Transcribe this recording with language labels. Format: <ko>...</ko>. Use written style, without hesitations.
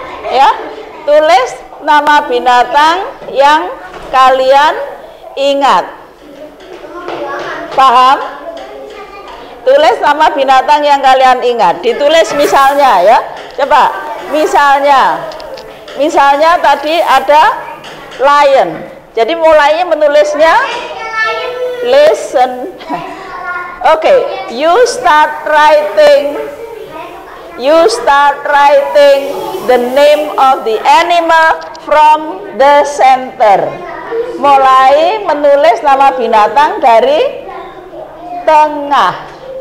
<id>Ya, tulis nama binatang yang kalian ingat. Paham? Tulis nama binatang yang kalian ingat. Ditulis misalnya ya. Coba, misalnya. Misalnya tadi ada lion. Jadi mulainya menulisnya listen.</id> <en>Okay, you start writing the name of the animal from the center.</en> <id>Mulai menulis nama binatang dari tengah.</id>